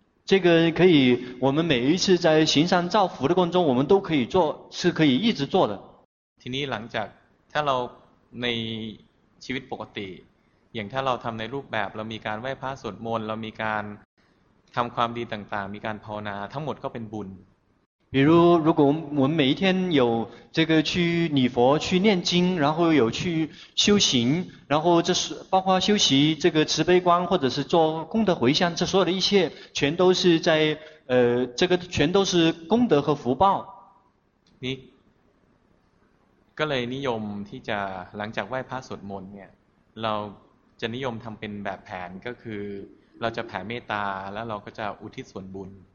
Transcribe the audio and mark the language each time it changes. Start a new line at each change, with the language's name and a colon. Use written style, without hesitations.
Chinese: 这个可以，我们每一次在行善造福的过程中，我们都可以做，是可以一直做的。
Thai: ทีนี้หลังจากถ้าเราในชีวิตปกติอย่างถ้าเราทำในรูปแบบเรามีการไหว้พระสวดมนต์เรามีการทำความดีต่างๆมีการภาวนาทั้งหมดก็เป็นบุญ
Chinese: 比如如果我们每一天有这个去礼佛去念经然后有去修行然后这是包括修习这个慈悲观或者是做功德回向这所有的一切全都是在这个全都是功德和福报
Thai: นี่ก็เลยนิยมที่จะหลังจากไหว้พระสวดมนต์เนี่ยเราจะนิยมทำเป็นแบบแผนก็คือเราจะแผ่เมตตาแล้วเราก็จะอุทิศส่วนบุญ